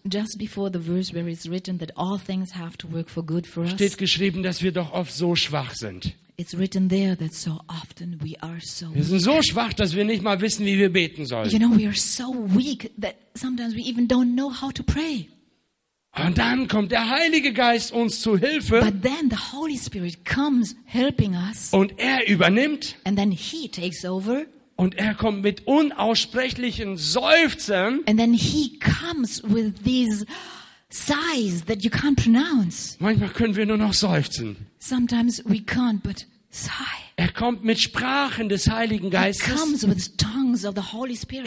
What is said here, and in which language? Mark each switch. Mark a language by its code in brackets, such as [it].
[en] just before the verse where it's written that all things have to work for good for us, [de] steht geschrieben, dass wir doch oft so schwach sind. [en] It's written there that so often we are so weak. [de] Wir sind so schwach, dass wir nicht mal wissen, wie wir beten sollen. [en] You know, we are so weak that sometimes we even don't know how to pray. [de] Und dann kommt der Heilige Geist uns zu Hilfe. [en] But then the Holy Spirit comes helping us. [de] Und er übernimmt. [en] And then he takes over. [de] Und er kommt mit unaussprechlichen Seufzern. [en] And then he comes with these sighs that you can't pronounce. [de] Manchmal können wir nur noch seufzen. [en] Sometimes we can't but sigh. [de] Er kommt mit Sprachen des Heiligen Geistes. [en] He comes with tongues of the Holy Spirit.